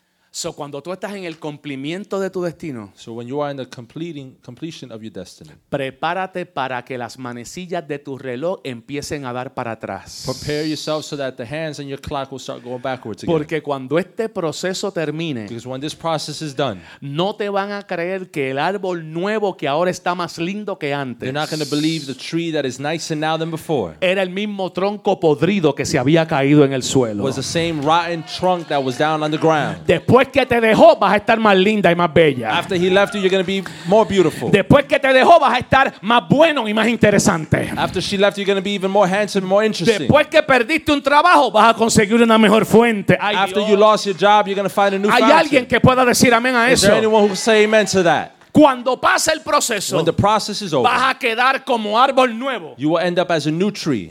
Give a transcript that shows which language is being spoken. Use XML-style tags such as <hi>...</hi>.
<es>So cuando tú estás en el cumplimiento de tu destino.</es> <en>So when you are in the completion of your destiny.</en> <es>Prepárate para que las manecillas de tu reloj empiecen a dar para atrás.</es> <en>Prepare yourself so that the hands and your clock will start going backwards again.</en> <es>Porque cuando este proceso termine.</es> <en>Because when this process is done.</en> <es>No te van a creer que el árbol nuevo que ahora está más lindo que antes.</es> <en>You're not going to believe the tree that is nicer now than before.</en> <es>Era el mismo tronco podrido que se había caído en el suelo.</es> <en>Was the same rotten trunk that was down on the ground.</en> <es>Después que te dejó, vas a estar más linda y más bella.</es> <en>After he left you, you're going to be more beautiful.</en> <es>Después que te dejó, vas a estar más bueno y más interesante.</es> <en>After she left you, you're going to be even more handsome, more interesting.</en> <es>Después que perdiste un trabajo, vas a conseguir una mejor fuente. Ay,</es> <en>after</en> <es>Dios.</es> <en>You lost your job, you're going to find a new fountain.</en> <es>¿Hay alguien que pueda decir amén a</es> <en>is</en> <es>eso?</es> <en>There anyone who can say amen to that?</en> <es>Cuando pase el proceso,</es> <en>when the process is over,</en> <es>vas a quedar como árbol nuevo.</es> <en>You will end up as a new tree.</en>